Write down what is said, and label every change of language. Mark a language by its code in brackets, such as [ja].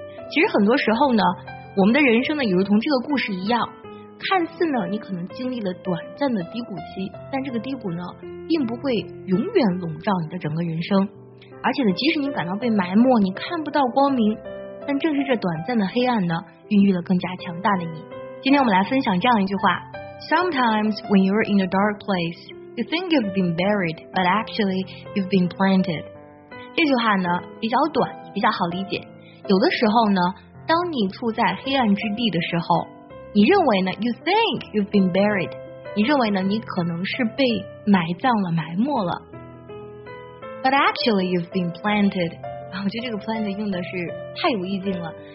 [zh] 其实很多时候呢，我们的人生呢，也如同这个故事一样，看似呢，你可能经历了短暂的低谷期，但这个低谷呢，并不会永远笼罩你的整个人生。而且呢，即使你感到被埋没，你看不到光明，但正是这短暂的黑暗呢，孕育了更加强大的你。今天我们来分享这样一句话： [en] Sometimes when you're in a dark place, you think you've been buried, but actually you've been planted. [zh] 这句话呢，比较短，比较好理解。有的时候呢，当你处在黑暗之地的时候，你认为呢 ？ [en] You think you've been buried。 [zh] 你认为呢？你可能是被埋葬了、埋没了。 [en] But actually, you've been planted。 [zh] 我觉得这个 plant 用的是太有意境了。